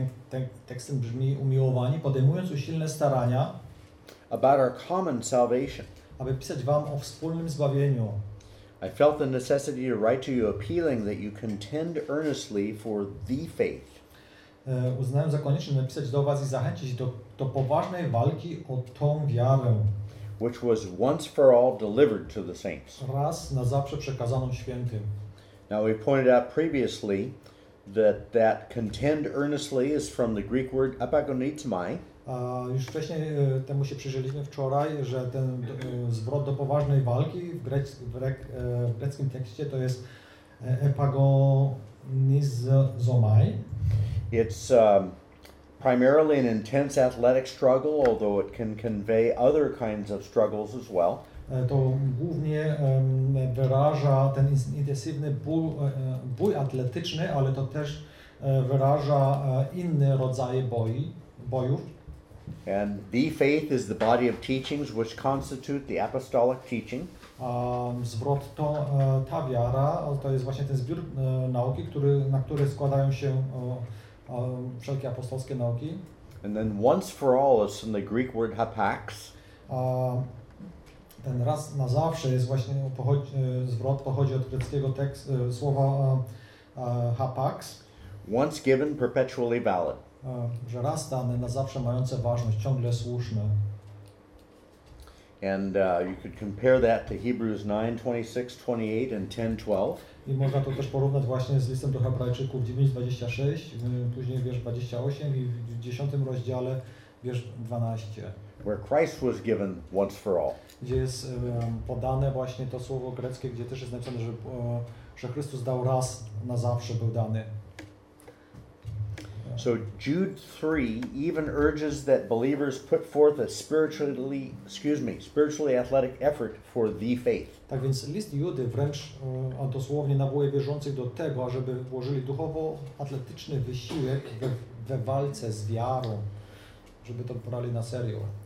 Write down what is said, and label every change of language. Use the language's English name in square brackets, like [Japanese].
[Polish] Ten tekst brzmi, umiłowani, podejmując usilne starania, [English] about our common salvation, [Polish] aby pisać wam o wspólnym zbawieniu, [English] I felt the necessity to write to you appealing that you contend earnestly for the faith. [Polish] Uznałem za konieczne napisać do was i zachęcić do poważnej walki o tą wiarę, [English] which was once for all delivered to the saints. [Polish] Raz na zawsze przekazaną świętym. [English] Now we pointed out previously that contend earnestly is from the Greek word apagonizmai. [Polish] Już wcześniej temu się przyjrzeliśmy wczoraj, że ten zwrot do poważnej walki w greckim tekście to jest epagonizomai. [English] It's primarily an intense athletic struggle, although it can convey other kinds of struggles as well. [Polish] To głównie wyraża ten intensywny bój atletyczny, ale to też wyraża inne rodzaje bojów. [English] And the faith is the body of teachings which constitute the apostolic teaching. [Polish] Zwrot to ta wiara, to jest właśnie ten zbiór nauki, na który składają się wszelkie apostolskie nauki. [English] And then once for all is from the Greek word hapax. [Polish] ten raz na zawsze jest właśnie zwrot pochodzi od greckiego słowa hapax. [English] Once given, perpetually valid. [Polish] Że raz dane, na zawsze mające ważność, ciągle słuszne. [English] And you could compare that to Hebrews 9:26-28 and 10:12. [Polish] I można to też porównać właśnie z listem do Hebrajczyków 9:26, później wiersz 28 i w 10 rozdziale wiersz 12. [English] Where Christ was given once for all. [Polish] Gdzie jest podane właśnie to słowo greckie, gdzie też jest napisane, że Chrystus dał raz na zawsze był dany. [English] So Jude 3 even urges that believers put forth a spiritually athletic effort for the faith. [Polish] Tak więc list Judy wręcz dosłownie nawołuje wierzących do tego, żeby włożyli duchowo atletyczny wysiłek we walce z wiarą, żeby to brali na serio.